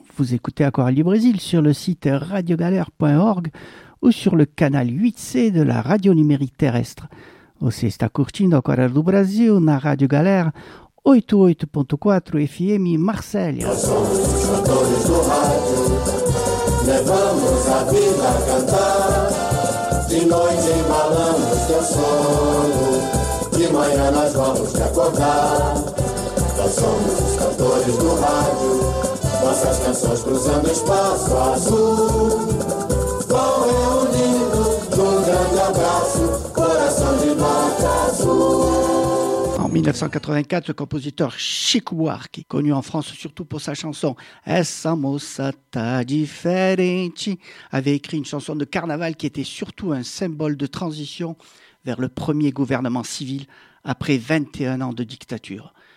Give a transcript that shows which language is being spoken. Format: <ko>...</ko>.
<fr>Écoutez Aquarelli Brésil sur le site radiogalère.org ou sur le canal 8C de la radio numérique terrestre.</fr> <pt>Você está curtindo Aquarelli do Brasil na Radio Galère 88.4 FM Marseille. Nós somos os cantores do rádio, levamos a vida a cantar. De noite embalamos teu sono, de manhã nós vamos te acordar. Nós somos os cantores do rádio. Nossas canções cruzando espaço azul, vão reunindo num grande abraço.</pt> <fr>En 1984, le compositeur Chico Buarque, connu en France surtout pour sa chanson « Essa moça tá diferente », avait écrit une chanson de carnaval qui était surtout un symbole de transition vers le premier gouvernement civil après 21 ans de dictature.</fr>